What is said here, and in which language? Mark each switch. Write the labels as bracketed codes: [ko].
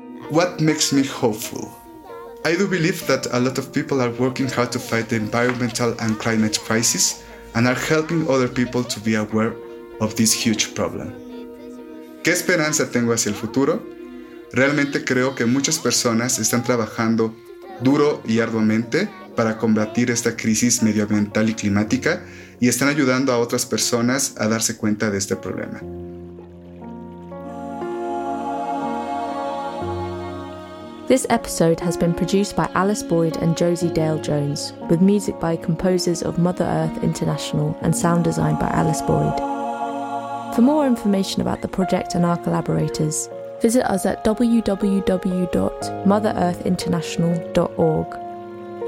[en] What makes me hopeful? I do believe that a lot of people are working hard to fight the environmental and climate crisis and are helping other people to be aware of this huge problem. [es] ¿Qué esperanza tengo hacia el futuro? Realmente creo que muchas personas están trabajando duro y arduamente para combatir esta crisis medioambiental y climática y están ayudando a otras personas a darse cuenta de este problema. [en] This episode has been produced by Alice Boyd and Josie Dale Jones, with music by composers of Mother Earth International and sound design by Alice Boyd. For more information about the project and our collaborators, visit us at www.MotherEarthInternational.org.